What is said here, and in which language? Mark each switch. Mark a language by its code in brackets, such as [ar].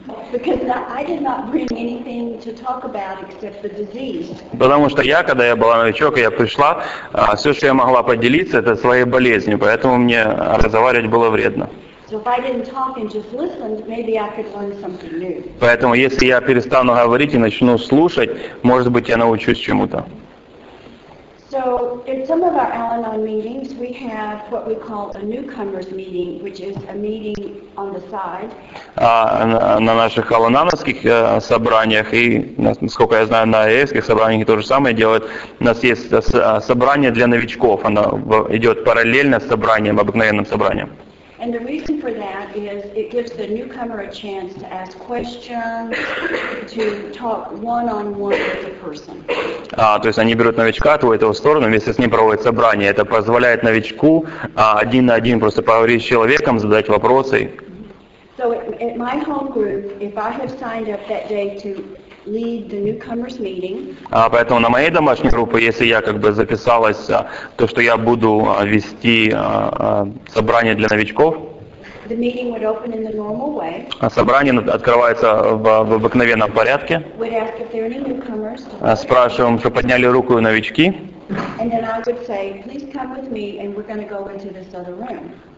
[en] Because I did not bring anything to talk about except the disease. [ru] Потому что я, когда я была новичок, я пришла, все, что я могла поделиться, это своей болезнью, поэтому мне разговаривать было вредно. [en] So if I didn't talk and just listened, maybe I could learn something new. [ru] Поэтому если я перестану говорить и начну слушать, может быть, я научусь чему-то. [en] So in some of our Al-Anon meetings, we have what we call a newcomers meeting, which is a meeting on the side. [ru] На наших Al-Anon-овских собраниях и, насколько я знаю, на AA-овских собраниях то же самое делают. У нас есть собрание для новичков. Оно идет параллельно с собранием, обыкновенным собранием. [en] And the reason for that is it gives the newcomer a chance to ask questions, to talk one-on-one with the person. [ru] То есть они берут новичка, твой этого сторону, вместе с ним проводят собрание. Это позволяет новичку один на один просто поговорить с человеком, задать вопросы. [en] So at my home group, if I have signed up that day to lead the newcomers meeting. [ru] Поэтому на моей домашней группе, если я как бы записалась, то что я буду вести собрание для новичков. [en] The meeting would open in the normal way. [ru] Собрание открывается в обыкновенном порядке. [en] We'd ask if there are any newcomers. [ru] Спрашиваем, что подняли руку новички. [en] And then I would say, please come with me, and we're going to go into this other room.